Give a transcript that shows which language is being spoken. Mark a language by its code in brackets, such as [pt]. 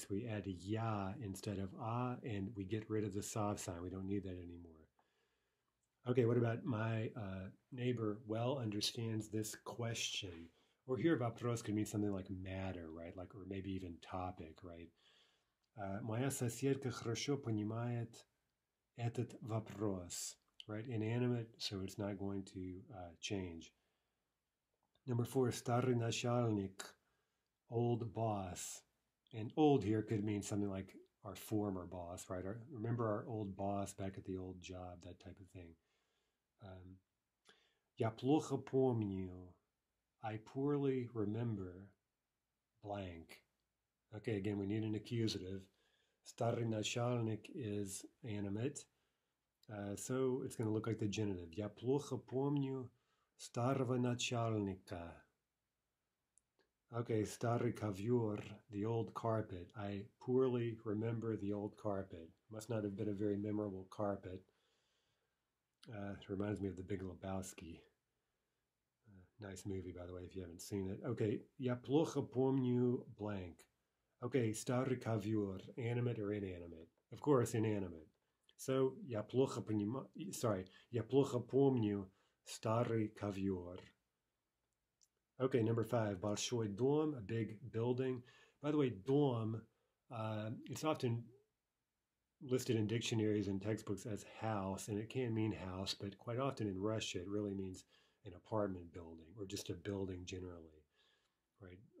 [en] So we add a я instead of а, and we get rid of the soft sign. We don't need that anymore. Okay, what about my neighbor well understands this question? Or here, вопрос could mean something like matter, right? Like, or maybe even topic, right? [ru] Моя соседка хорошо понимает этот вопрос. [en] Right, inanimate, so it's not going to change. Number four, [ru] старый начальник, [en] old boss. And old here could mean something like our former boss, right? Remember our old boss back at the old job, that type of thing. [ru] Я плохо помню. [en] I poorly remember blank. Okay, again, we need an accusative. [ru] Старый начальник [en] is animate. So it's going to look like the genitive. [ru] Я плохо помню старого начальника. [en] Okay, [ru] старый ковер, [en] the old carpet. I poorly remember the old carpet. Must not have been a very memorable carpet. It reminds me of the Big Lebowski. Nice movie, by the way, if you haven't seen it. Okay, [ru] я плохо помню [en] blank. Okay, старый ковер, animate or inanimate? Of course, inanimate. [ru] So, я плохо понимаю, [en] sorry, [ru] я плохо помню старый ковер. [en] Okay, number five, большой дом, a big building. By the way, дом, it's often listed in dictionaries and textbooks as house, and it can mean house, but quite often in Russia, it really means an apartment building or just a building generally, right?